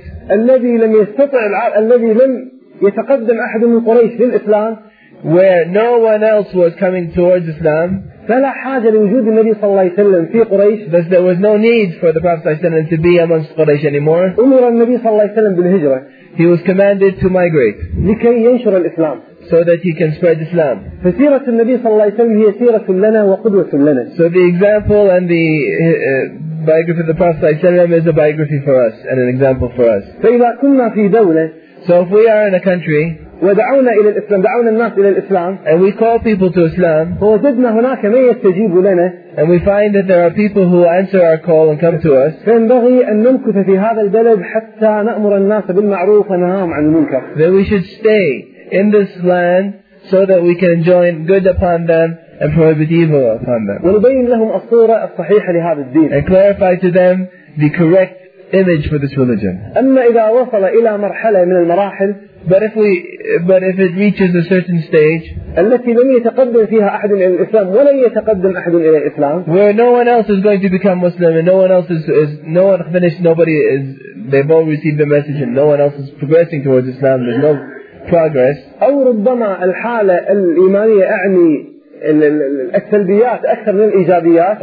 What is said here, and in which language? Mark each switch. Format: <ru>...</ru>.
<ar>الذي لم يستطع الذي لم يتقدم أحد من قريش للإسلام,</ar> <en>where no one else was coming towards Islam,</en> <ar>فلا حاجة لوجود النبي صلى الله عليه وسلم في قريش.</ar> <en>Thus there was no need for the Prophet</en> <ar>sallallahu alayhi wa sallam</ar> <en>to be amongst Quraysh anymore.</en> <ar>أمر النبي صلى الله عليه وسلم بالهجرة.</ar> <en>He was commanded to migrate.</en> <ar>لكي ينشر الإسلام.</ar> <en>So that he can spread Islam.</en> <ar>فسيرة النبي صلى الله عليه وسلم هي سيرة لنا وقدوة لنا.</ar> <en>So the example and the biography of the Prophet</en> <ar>صلى الله عليه وسلم</ar> <en>is a biography for us and an example for us.</en> <ar>فإذا كنا في دولة.</ar> <en>So if we are in a country.</en> <ar>ودعونا إلى الإسلام, دعونا الناس إلى الإسلام.</ar> <en>And we call people to Islam.</en> <ar>ووجدنا هناك من يستجيب لنا.</ar> <en>And we find that there are people who answer our call and come to us.</en> <ar>فينبغي أن نمكث في هذا البلد حتى نأمر الناس بالمعروف ونهاهم عن المنكر.</ar> <en>Then we should stay in this land so that we can enjoin good upon them and prohibit evil upon them.</en> <ar>ونبين لهم الصورة الصحيحة لهذا الدين.</ar> <en>And clarify to them the correct image for this religion.</en> <ar>أما إذا وصل إلى مرحلة من المراحل,</ar> <en>but if it reaches a certain stage,</en> <ar>التي لم يتقدم فيها أحد إلى الإسلام ولا يتقدم أحد إلى الإسلام,</ar> <en>where no one else is going to become Muslim and no one else is no one finished, nobody is, they've all received the message and no one else is progressing towards Islam, there's no progress.</en> <ar>أو ربما الحالة الإيمانية أعني السلبيات أكثر من الإيجابيات.</ar>